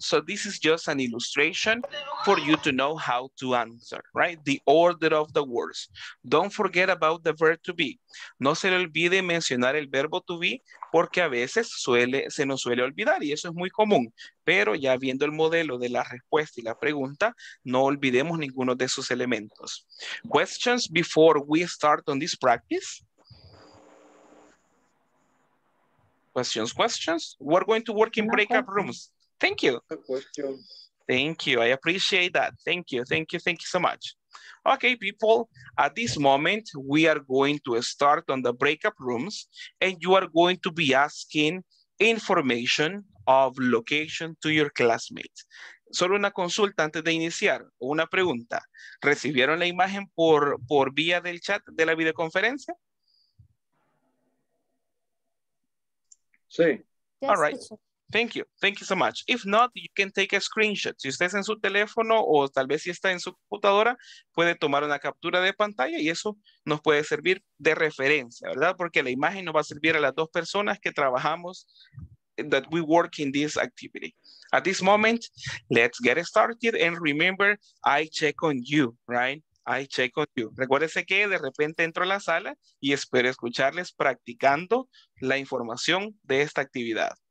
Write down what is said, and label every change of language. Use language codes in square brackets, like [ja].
[en] So this is just an illustration for you to know how to answer, right? The order of the words. Don't forget about the verb to be. [es] No se le olvide mencionar el verbo to be porque a veces se nos suele olvidar y eso es muy común. Pero ya viendo el modelo de la respuesta y la pregunta, no olvidemos ninguno de esos elementos. [en] Questions before we start on this practice? Questions. We're going to work in breakout rooms. Thank you. Thank you. I appreciate that. Thank you so much. Okay, people, at this moment, we are going to start on the breakout rooms and you are going to be asking information of location to your classmates. [es] Solo una consulta antes de iniciar, una pregunta. ¿Recibieron la imagen por vía del chat de la videoconferencia? Sí. [en] All right. Thank you. Thank you so much. If not, you can take a screenshot. [es] Si usted es en su teléfono o tal vez si está en su computadora, puede tomar una captura de pantalla y eso nos puede servir de referencia, ¿verdad? Porque la imagen nos va a servir a las dos personas que trabajamos, [en] that we work in this activity. At this moment, let's get started and remember, I check on you, right? I check on you. [es] Recuérdese que de repente entro a la sala y espero escucharles practicando la información de esta actividad.